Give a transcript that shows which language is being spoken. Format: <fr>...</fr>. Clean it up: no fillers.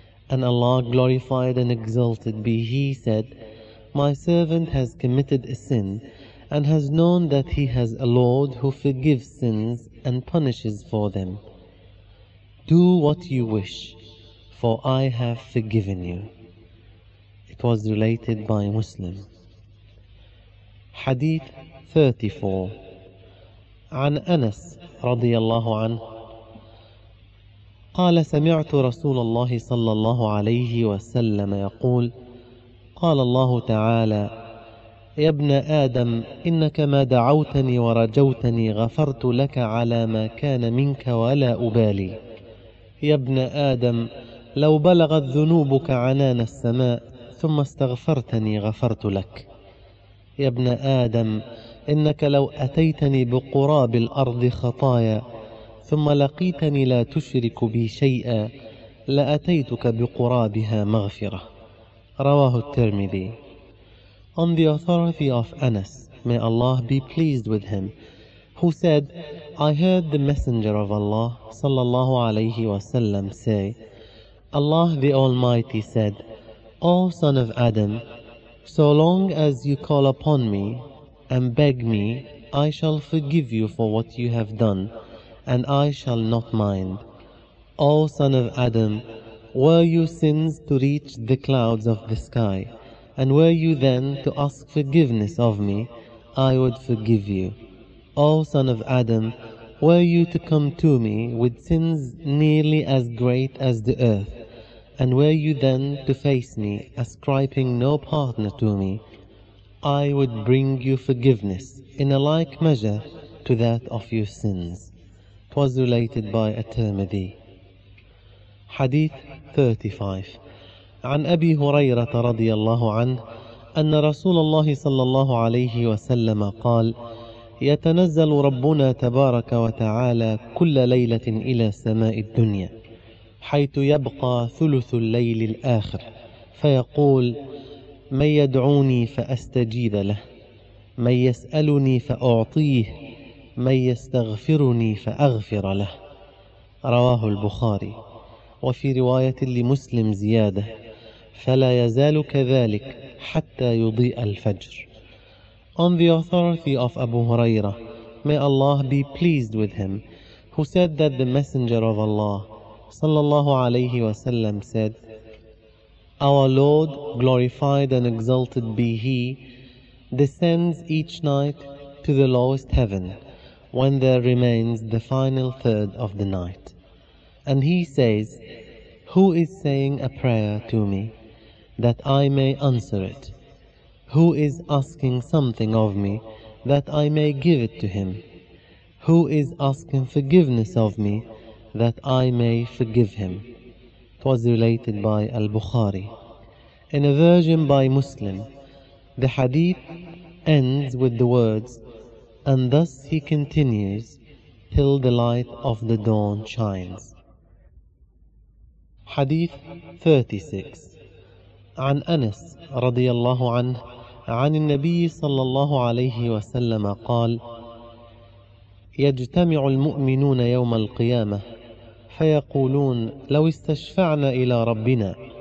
<en>And Allah, glorified and exalted be He, said, 'My servant has committed a sin and has known that he has a Lord who forgives sins and punishes for them. Do what you wish, for I have forgiven you.'" It was related by Muslim. Hadith 34.</en> <ar>عن أنس رضي الله عنه قال سمعت رسول الله صلى الله عليه وسلم يقول قال الله تعالى يا ابن آدم إنك ما دعوتني ورجوتني غفرت لك على ما كان منك ولا أبالي يا ابن آدم لو بلغت ذنوبك عنان السماء ثم استغفرتني غفرت لك يا ابن آدم إنك لو أتيتني بقراب الأرض خطايا ثم لقيتني لا تشرك بي شيئا لأتيتك بقرابها مغفرة رواه الترمذي.</ar> <en>On the authority of Anas, may Allah be pleased with him, who said, "I heard the Messenger of Allah, sallallahu alayhi wasallam, say, 'Allah the Almighty said, O son of Adam, so long as you call upon me and beg me, I shall forgive you for what you have done, and I shall not mind. O son of Adam, were your sins to reach the clouds of the sky, and were you then to ask forgiveness of me, I would forgive you. O son of Adam, were you to come to me with sins nearly as great as the earth, and were you then to face me, ascribing no partner to me, I would bring you forgiveness in a like measure to that of your sins." It was related by At-Tirmidhi. Hadith 35.</en> <ar>عن أبي هريرة رضي الله عنه أن رسول الله صلى الله عليه وسلم قال يتنزل ربنا تبارك وتعالى كل ليلة إلى سماء الدنيا حيث يبقى ثلث الليل الآخر فيقول من يدعوني فأستجيب له من يسألني فأعطيه من يستغفرني فأغفر له رواه البخاري وفي رواية لمسلم زيادة فلا يزال كذلك حتى يضيء الفجر.</ar> <en>On the authority of Abu Huraira, may Allah be pleased with him, who said that the Messenger of Allah, sallallahu alayhi wa sallam, said, "Our Lord, glorified and exalted be He, descends each night to the lowest heaven when there remains the final third of the night. And He says, 'Who is saying a prayer to me that I may answer it? Who is asking something of me that I may give it to him? Who is asking forgiveness of me that I may forgive him?'" It was related by Al-Bukhari. In a version by Muslim, the hadith ends with the words, "And thus he continues till the light of the dawn shines." Hadith 36.</en> <ar>عن أنس رضي الله عنه عن النبي صلى الله عليه وسلم قال يجتمع المؤمنون يوم القيامة فيقولون لو استشفعنا إلى ربنا</ar>